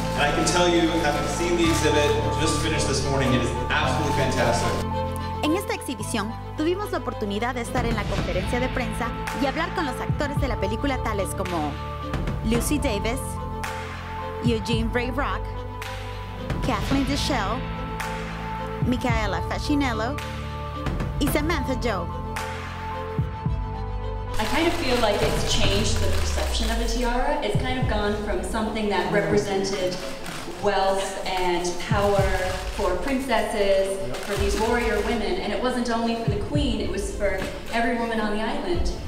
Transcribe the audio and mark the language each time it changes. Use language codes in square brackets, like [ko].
[en] And I can tell you, having seen the exhibit, just finished this morning, it is absolutely fantastic. [es] En esta exhibición, tuvimos la oportunidad de estar en la conferencia de prensa y hablar con los actores de la película, tales como Lucy Davis, Eugene Ray Brock, Kathleen Deschelle, Michaela Facchinello, y Samantha Jo. [en] I kind of feel like it's changed the perception of a tiara. It's kind of gone from something that represented wealth and power for princesses, for these warrior women, and it wasn't only for the queen, it was for every woman on the island.